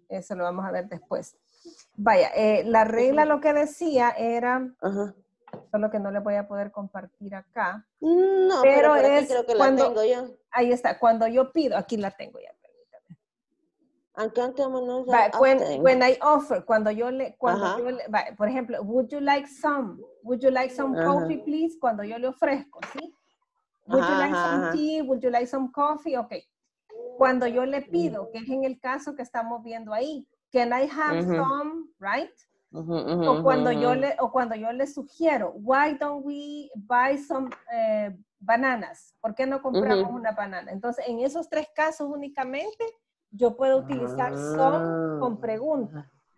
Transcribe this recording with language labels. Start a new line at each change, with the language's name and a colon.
Spanish: Eso lo vamos a ver después. Vaya, la regla lo que decía era, solo que no le voy a poder compartir acá. No, pero por es aquí creo que cuando, la tengo ya. Ahí está, cuando yo pido, aquí la tengo ya, permítame.
English: When I offer,
Spanish: por ejemplo,
English: would you like some coffee, please?
Spanish: Cuando yo le ofrezco, ¿sí?
English: Would you like some tea? Would you like some coffee? Okay.
Spanish: Cuando yo le pido, que es en el caso que estamos viendo ahí.
English: Can I have some, right?
Spanish: O cuando yo le sugiero,
English: why don't we buy some bananas?
Spanish: ¿Por qué no compramos una banana? Entonces, en esos tres casos únicamente, yo puedo utilizar some con pregunta.